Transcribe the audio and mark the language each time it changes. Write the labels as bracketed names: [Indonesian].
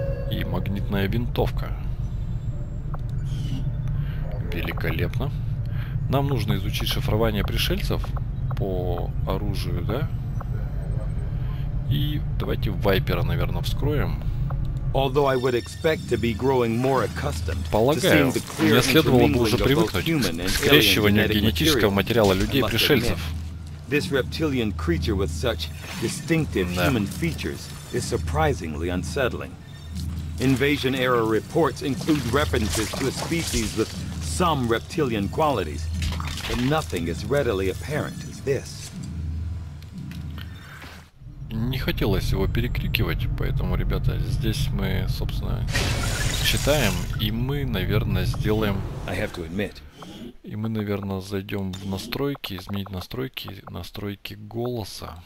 [Russian] И магнитная винтовка. Великолепно. Нам нужно изучить шифрование пришельцев по оружию, да? И давайте вайпера, наверное, вскроем. [English] Although I would expect to be growing more accustomed. [Russian] Полагаю, мне следовало бы уже привыкнуть к скрещиванию генетического материала людей и пришельцев. [English] This reptilian creature with such distinctive human features is surprisingly unsettling. Invasion era reports include references to a species with some reptilian qualities, but nothing as readily apparent as this. [Russian] Не хотелось его перекрикивать, поэтому, ребята, здесь мы, собственно, читаем, и мы, наверное, сделаем... [English] I have to admit. [Russian] И мы, наверное, зайдем в настройки, изменить настройки, настройки голоса.